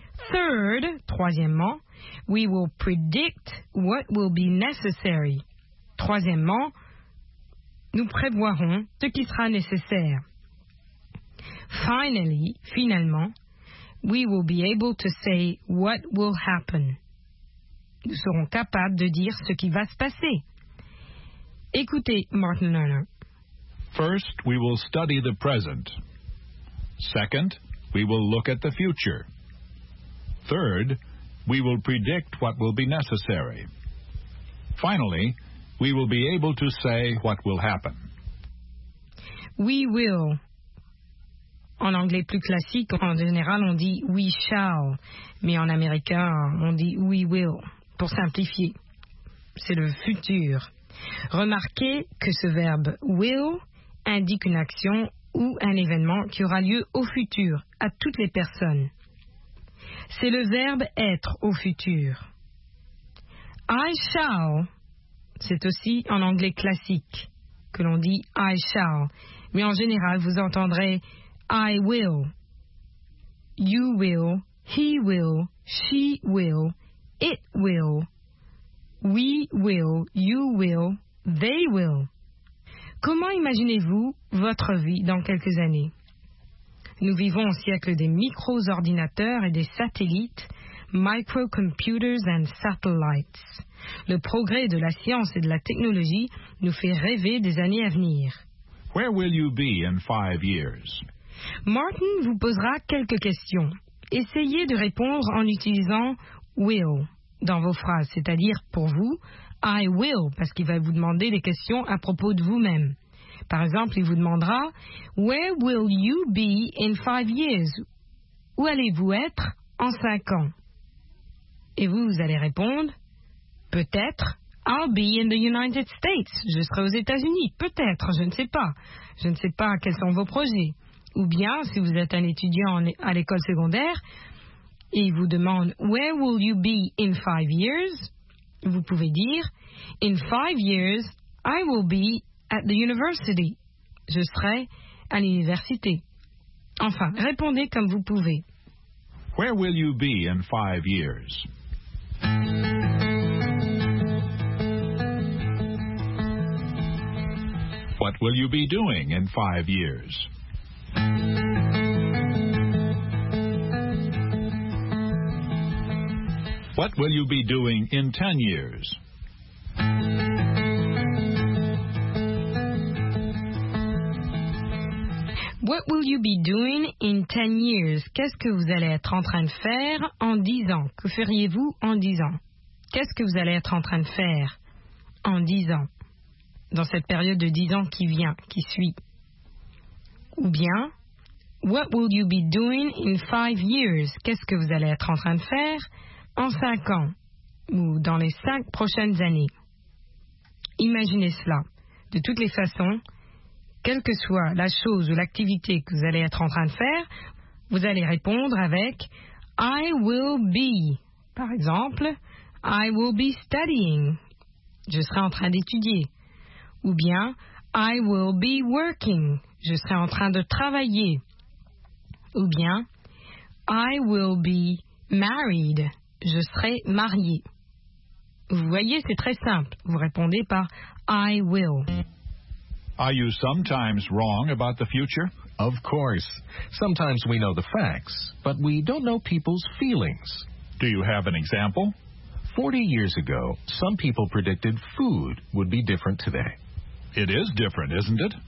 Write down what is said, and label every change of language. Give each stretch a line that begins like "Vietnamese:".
English: Third,
French: troisièmement, «
English: we will predict what will be necessary.
French: » Troisièmement, « nous prévoirons ce qui sera nécessaire. »
English: Finally,
French: finalement, «
English: we will be able to say what will happen.
French: » Nous serons capables de dire ce qui va se passer. Écoutez Martin Lerner.
English: First, we will study the present. Second, we will look at the future. Third, we will predict what will be necessary. Finally, we will be able to say what will happen. We will.
French: En anglais plus classique, en général, on dit
English: we shall.
French: Mais en américain, on dit
English: we will.
French: Pour simplifier, c'est le futur. Remarquez que ce verbe
English: will
French: indique une action ou un événement qui aura lieu au futur, à toutes les personnes. C'est le verbe être au futur.
English: I shall,
French: c'est aussi en anglais classique que l'on dit I shall, mais en général vous entendrez
English: I will, you will, he will, she will, it will, we will, you will, they will.
French: Comment imaginez-vous votre vie dans quelques années? Nous vivons au siècle des micro-ordinateurs et des satellites,
English: microcomputers and satellites.
French: Le progrès de la science et de la technologie nous fait rêver des années à venir.
English: Where will you be in 5 years?
French: Martin vous posera quelques questions. Essayez de répondre en utilisant
English: will
French: dans vos phrases, c'est-à-dire pour vous,
English: I will,
French: parce qu'il va vous demander des questions à propos de vous-même. Par exemple, il vous demandera «
English: Where will you be in 5 years ?»«
French: Où allez-vous être en 5 ans ?» Et vous, vous allez répondre « Peut-être,
English: I'll be in the United States.
French: » »« Je serai aux États-Unis. » »« Peut-être, je ne sais pas. » »« Je ne sais pas quels sont vos projets. » Ou bien, si vous êtes un étudiant à l'école secondaire et il vous demande «
English: Where will you be in 5 years ?»
French: Vous pouvez dire
English: « In 5 years, I will be at the university. »
French: Je serai à l'université. Enfin, répondez comme vous pouvez.
English: Where will you be in 5 years? What will you be doing in 5 years? What will you be doing in 10 years? What will you be doing in 10 years?
French: Qu'est-ce que vous allez être en train de faire en 10 ans? Que feriez-vous en 10 ans? Qu'est-ce que vous allez être en train de faire en 10 ans? Dans cette période de 10 ans qui vient, qui suit. Ou bien,
English: what will you be doing in 5 years?
French: Qu'est-ce que vous allez être en train de faire en 5 ans? Ou dans les 5 prochaines années? Imaginez cela. De toutes les façons, quelle que soit la chose ou l'activité que vous allez être en train de faire, vous allez répondre avec
English: I will be.
French: Par exemple,
English: I will be studying.
French: Je serai en train d'étudier. Ou bien,
English: I will be working.
French: Je serai en train de travailler. Ou bien,
English: I will be married.
French: Je serai marié. Vous voyez, c'est très simple. Vous répondez par
English: I will. Are you sometimes wrong about the future? Of course. Sometimes we know the facts, but we don't know people's feelings. Do you have an example? 40 years ago, some people predicted food would be different today. It is different, isn't it?